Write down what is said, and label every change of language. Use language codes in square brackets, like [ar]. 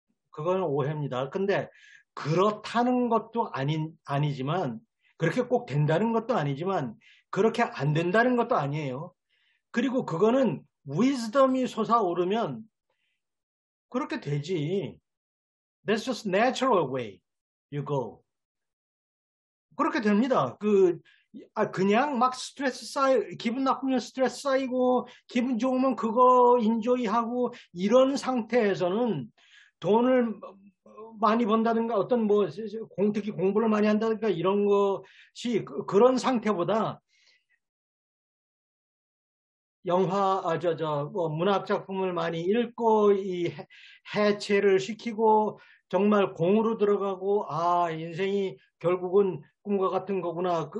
[ko] 그건 오해입니다. 근데 그렇다는 것도 아니지만 그렇게 꼭 된다는 것도 아니지만 그렇게 안 된다는 것도 아니에요. 그리고 그거는 wisdom이 솟아오르면 그렇게 되지. [en] That's just natural way you go. [ko] 그렇게 됩니다. 그냥 막 스트레스 쌓이 기분 나쁘면 스트레스 쌓이고 기분 좋으면 그거 인조이하고 이런 상태에서는 돈을 많이 번다든가 어떤 뭐 특히 공부를 많이 한다든가 이런 것이 그런 상태보다 문학 작품을 많이 읽고 이 해체를 시키고 정말 공으로 들어가고 인생이 결국은 꿈과 같은 거구나.